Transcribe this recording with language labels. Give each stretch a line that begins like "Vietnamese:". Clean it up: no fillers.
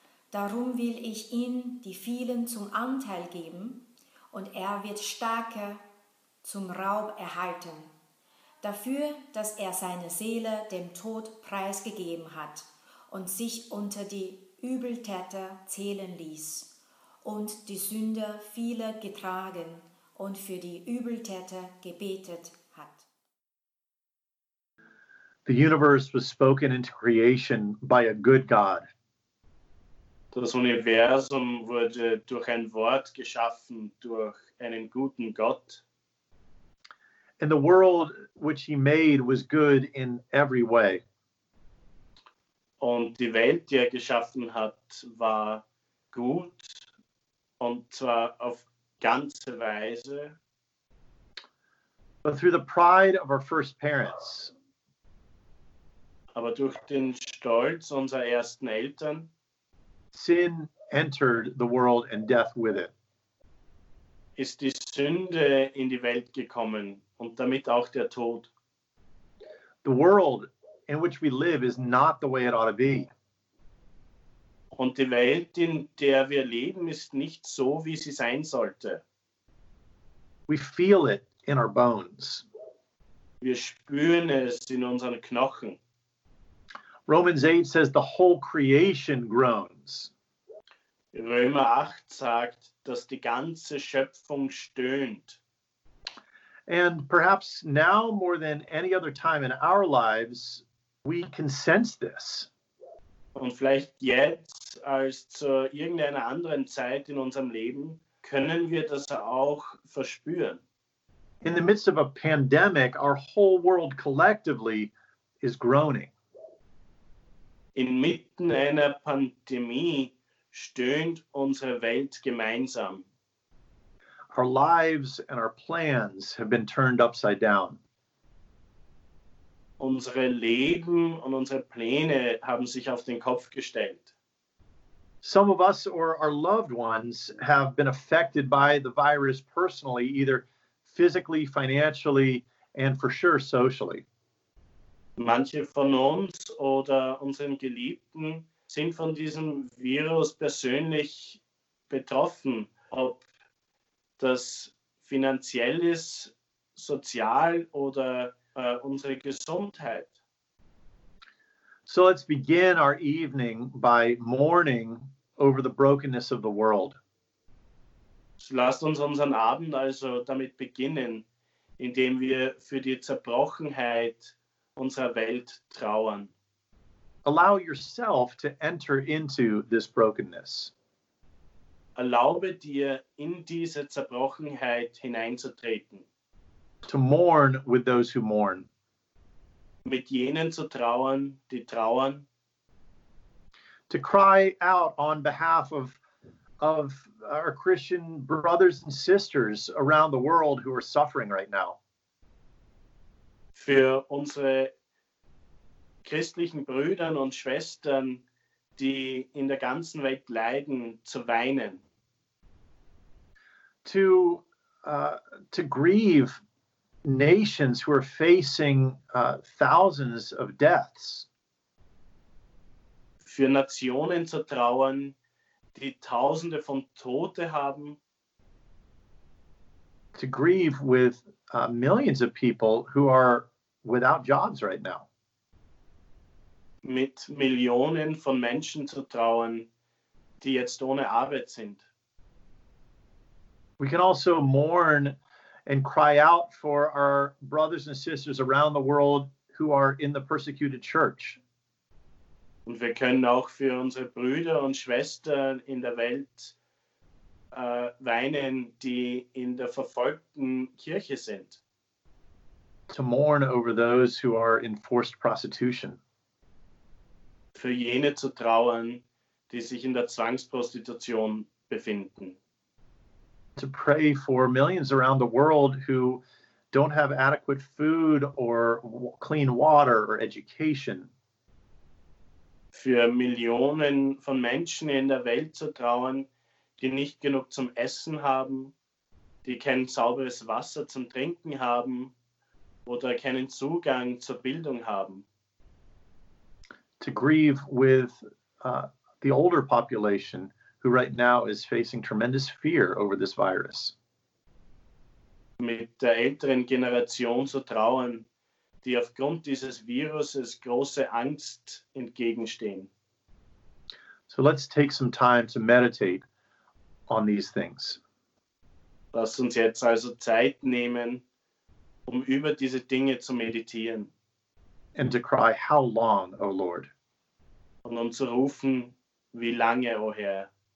German: Darum will ich ihn die vielen zum Anteil geben, und wird Starke zum Raub erhalten, dafür, dass seine Seele dem Tod preisgegeben hat und sich unter die Übeltäter zählen ließ, und die Sünde viele getragen und für die Übeltäter gebetet.
English: The universe was spoken into creation by a good God.
German: Das Universum wurde durch ein Wort geschaffen, durch einen guten Gott.
English: And the world which he made was good in every way.
German: Und die Welt, die geschaffen hat, war gut, und zwar auf ganze Weise.
English: But through the pride of our first parents,
German: aber durch den Stolz unserer ersten Eltern,
English: sin entered the world and death with it,
German: ist die Sünde in die Welt gekommen und damit auch der Tod.
English: The world in which we live is not the way it ought to be.
German: Und die Welt, in der wir leben, ist nicht so, wie sie sein sollte.
English: We feel it in our bones.
German: Wir spüren es in unseren Knochen.
English: Romans 8 says the whole creation groans.
German: Römer 8 sagt, dass die ganze Schöpfung stöhnt.
English: And perhaps now more than any other time in our lives, we can sense this.
German: Und vielleicht jetzt als zu irgendeiner anderen Zeit in unserem Leben können wir das auch verspüren.
English: In the midst of a pandemic, our whole world collectively is groaning.
German: Inmitten einer Pandemie stöhnt unsere Welt gemeinsam.
English: Our lives and our plans have been turned upside down.
German: Unsere Leben und unsere Pläne haben sich auf den Kopf gestellt.
English: Some of us or our loved ones have been affected by the virus personally, either physically, financially, and for sure socially.
German: Manche von uns oder unseren Geliebten sind von diesem Virus persönlich betroffen, ob das finanziell ist, sozial oder unsere Gesundheit.
English: So let's begin our evening by mourning over the brokenness of the world.
German: Lasst uns unseren Abend also damit beginnen, indem wir für die Zerbrochenheit unserer Welt trauern.
English: Allow yourself to enter into this brokenness.
German: Erlaube dir, in diese Zerbrochenheit hineinzutreten.
English: To mourn with those who mourn.
German: Mit jenen zu trauern, die trauern.
English: To cry out on behalf of our Christian brothers and sisters around the world who are suffering right now.
German: Für unsere christlichen Brüder und Schwestern, die in der ganzen Welt leiden, zu weinen.
English: To grieve nations who are facing thousands of deaths.
German: Für Nationen zu trauern, die Tausende von Tote haben.
English: To grieve with millions of people who are without jobs right now.
German: Mit Millionen von Menschen zu trauern, die jetzt ohne Arbeit sind.
English: We can also mourn and cry out for our brothers and sisters around the world who are in the persecuted church.
German: Und wir können auch für unsere Brüder und Schwestern in der Welt weinen, die in der verfolgten Kirche sind.
English: To mourn over those who are in forced prostitution.
German: Für jene zu trauern, die sich in der Zwangsprostitution befinden.
English: To pray for millions around the world who don't have adequate food or clean water or education.
German: Für Millionen von Menschen in der Welt zu trauern, die nicht genug zum Essen haben, die kein sauberes Wasser zum Trinken haben oder keinen Zugang zur Bildung haben.
English: To grieve with the older population who right now is facing tremendous fear over this virus.
German: Mit der älteren Generation zu trauern, die aufgrund dieses Viruses große Angst entgegenstehen.
English: So let's take some time to meditate on these things.
German: Lass uns jetzt also Zeit nehmen, um über diese Dinge zu meditieren.
English: And to cry, how long, O Lord?
German: Und um zu rufen, wie lange, O Herr?